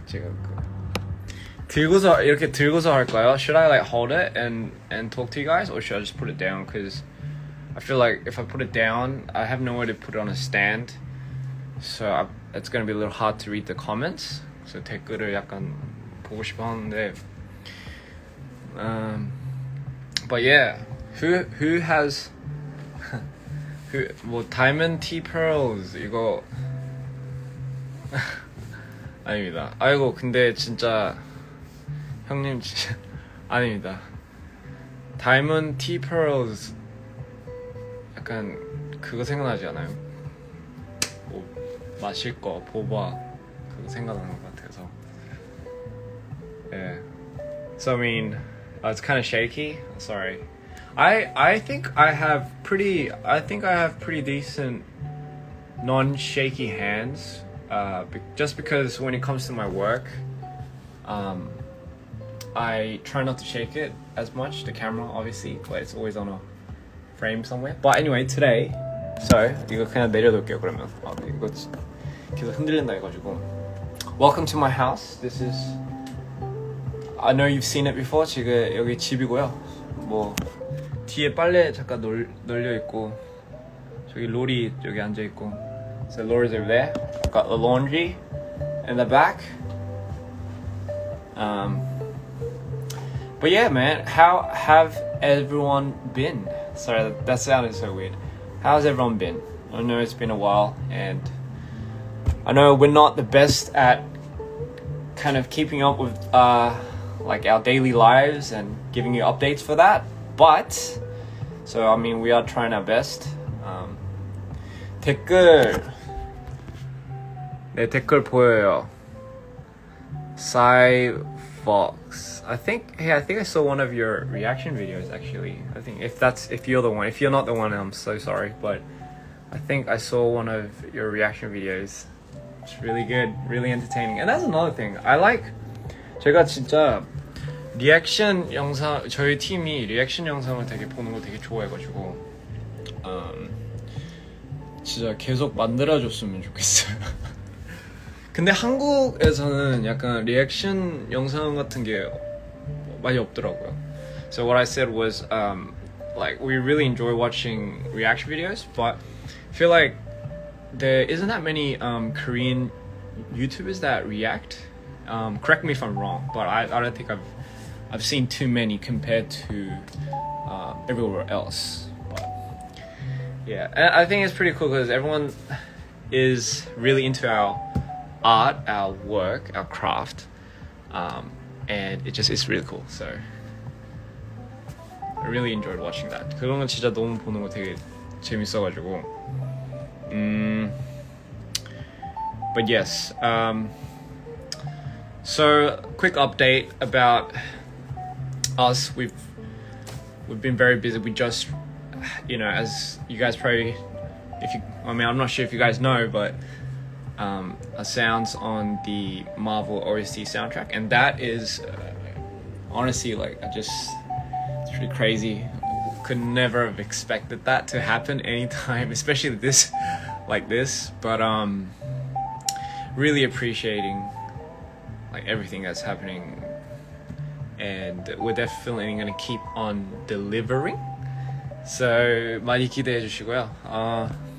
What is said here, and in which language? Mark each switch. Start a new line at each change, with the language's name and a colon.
Korean: 지금 그 들고서 이렇게 들고서 할까요?
English: Should I like hold it and talk to you guys, or should I just put it down? Because I feel like if I put it down, I have nowhere to put it on a stand. So it's gonna be a little hard to read the comments.
Korean: So 댓글을 약간 보고 싶었는데.
English: But yeah, who has. Well, Diamond T Pearls,
Korean: 이거 아닙니다. 아이고, 근데 진짜 형님 진짜 아닙니다. Diamond T Pearls 약간 그거 생각나지 않아요? 뭐 마실 거, 보바 그거 생각나는 것 같아서.
English: Yeah. So I mean, it's kind of shaky. Sorry. I think I have pretty decent non-shaky hands, just because when it comes to my work, I try not to shake it as much, the camera obviously, but it's always on a frame somewhere. But anyway, today, so
Korean: 이거 그냥 내려둘게요 그러면. 아, 이거 계속 흔들린다 해가지고.
English: Welcome to my house. This is, I know you've seen it before.
Korean: 지금 여기 집이고요. 뭐 뒤에 빨래 잠깐 널려 있고 저기 로리 여기 앉아 있고.
English: So Lori's over there. Got the laundry in the back. But yeah, man, how have everyone been? Sorry, that sounded so weird. How's everyone been? I know it's been a while, and I know we're not the best at kind of keeping up with like our daily lives and giving you updates for that, but. So, I mean, we are trying our best.
Korean: 댓글. 네, 댓글 보여요.
English: Cy Fox. I think I saw one of your reaction videos, actually. I think if you're not the one, I'm so sorry. But I think I saw one of your reaction videos. It's really good, really entertaining. And that's another thing. I like,
Korean: 제가 진짜 리액션 영상 저희 팀이 리액션 영상을 되게 보는 거 되게 좋아해가지고 진짜 계속 만들어줬으면 좋겠어요. 근데 한국에서는 약간 리액션 영상 같은 게 많이 없더라고요.
English: So what I said was like we really enjoy watching reaction videos, but I feel like there isn't that many Korean YouTubers that react. Correct me if I'm wrong, but I don't think I've seen too many compared to everywhere else. But yeah, I think it's pretty cool because everyone is really into our art, our work, our craft, and it's really cool. So I really enjoyed watching that.
Korean: 그런 거 진짜 너무 보는 거 되게 재밌어가지고.
English: But yes. So quick update about us. We've been very busy. We just, you know, as you guys probably, I'm not sure if you guys know, but a sounds on the Marvel OST soundtrack, and that is honestly it's pretty crazy. Could never have expected that to happen anytime, especially this, like this. But really appreciating like everything that's happening, and we're definitely gonna keep on delivering.
Korean: So 많이 기대해 주시고요.